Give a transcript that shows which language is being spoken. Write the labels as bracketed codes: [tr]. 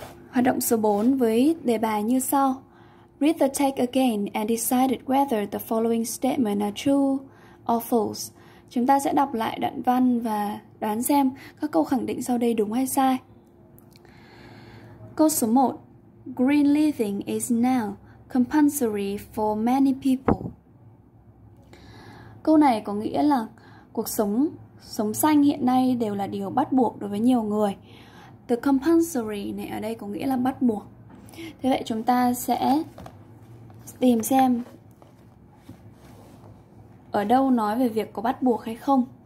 [vi] Hoạt động số 4 với đề bài như sau. [en] Read the text again and decide whether the following statements are true or false. [vi] Chúng ta sẽ đọc lại đoạn văn và đoán xem các câu khẳng định sau đây đúng hay sai. Câu số 1. [en] Green living is now compulsory for many people. [vi] Câu này có nghĩa là cuộc sống xanh hiện nay đều là điều bắt buộc đối với nhiều người. Từ compulsory này ở đây có nghĩa là bắt buộc. Thế vậy chúng ta sẽ tìm xem ở đâu nói về việc có bắt buộc hay không.